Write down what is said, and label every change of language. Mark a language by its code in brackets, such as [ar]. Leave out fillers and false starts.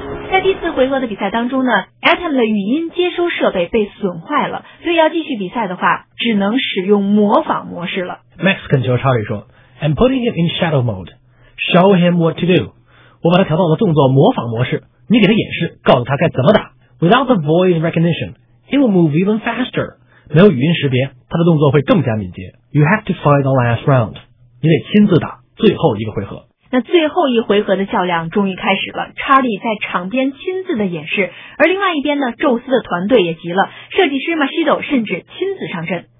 [zh] 在第四回合的比赛当中呢 ，Atom 的语音接收设备被损坏了，所以要继续比赛的话，只能使用模仿模式了。 [en] Max [zh] 恳求 Charlie 说 [en] ，I'm putting him in shadow mode. Show him what to do. [zh] 我把他调到了动作模仿模式，你给他演示，告诉他该怎么打。 [en] Without the voice recognition, he will move even faster. [zh] 没有语音识别，他的动作会更加敏捷。 [en] You have to fight the last round. [zh] 你得亲自打最后一个回合。那最后一回合的较量终于开始了。查理在场边亲自的演示，而另外一边呢，宙斯的团队也急了，设计师 Mashido 甚至亲自上阵。